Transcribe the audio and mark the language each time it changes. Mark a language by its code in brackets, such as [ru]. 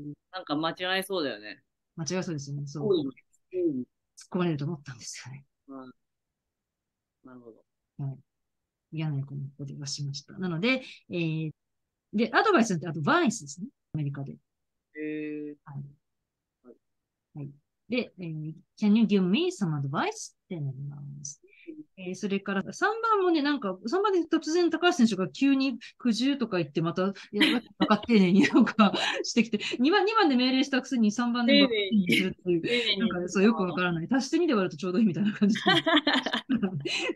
[ja] なんか間違えそうだよね。間違いそうですよね。多そう。いの。突っ込まれると思ったんですよね。なるほど。はい。嫌な予感を出しました。なので、で、アドバイスってアドバイスですね。アメリカで。はい。はい。で、 [en] can you give me some advice? [ja] ってなります。それから3番もね、なんか、3番で突然高橋選手が急に苦渋とか言って、また、わかってねえに、なんか してきて、2番で命令したくせに3番で丁わか寧ってねえにするっていう、なんに、か、そう、よくわからない。足して2で割るとちょうどいいみたいな感じなんです。